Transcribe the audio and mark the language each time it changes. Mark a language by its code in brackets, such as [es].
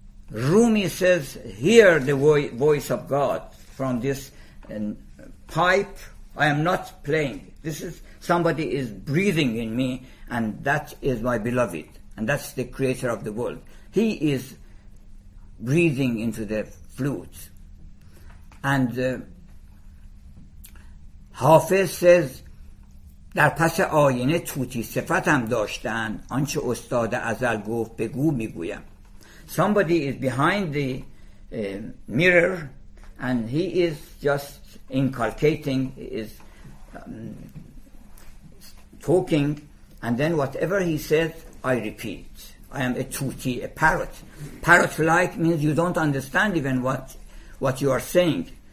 [en] Rumi says, hear the voice of God from this pipe. I am not playing. This is somebody is breathing in me, and that is my beloved, and that's the creator of the world. He is breathing into the flute. And Hafiz says, [fa] در پس آینه توتی صفتم داشتن آنچه استاد ازل گفت بگو میگویم. [en] Somebody is behind the mirror, and he is just inculcating, is talking, and then whatever he says, I repeat. I am a tuti, a parrot. Parrot-like means you don't understand even what you are saying.